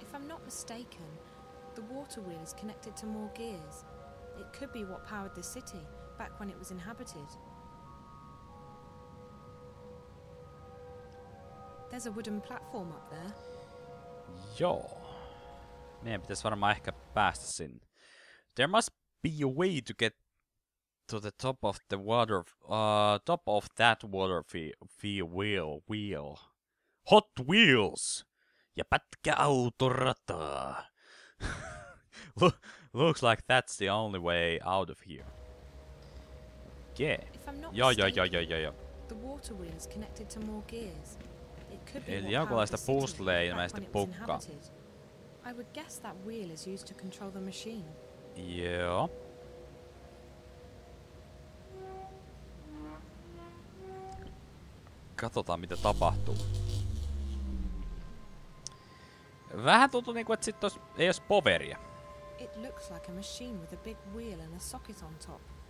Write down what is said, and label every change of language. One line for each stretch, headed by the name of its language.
English: If I'm not mistaken, the water wheel is connected to more gears. It could be what powered the city, back when it was inhabited. There's a wooden platform up there.
Finnish: Joo. Meidän pitäis varmaan ehkä päästä sinne.
English: There must be a way to get to the top of the water... top of that water wheel.
Finnish: Hot wheels! Ja pätkä autorataa!
English: looks like that's the only way out of here. Yeah.
Finnish: Joo.
English: The water wheel is connected to more gears.
Finnish: Eli jonkunlaista puzzleja ilmeisesti pukka.
English: I would guess that wheel is used to control the machine.
Finnish: Joo. Katsotaan mitä tapahtuu. Vähän tuntuu niinku, et sit tos ei ois poveria.
English: It looks like a machine with a big wheel and a socket on top.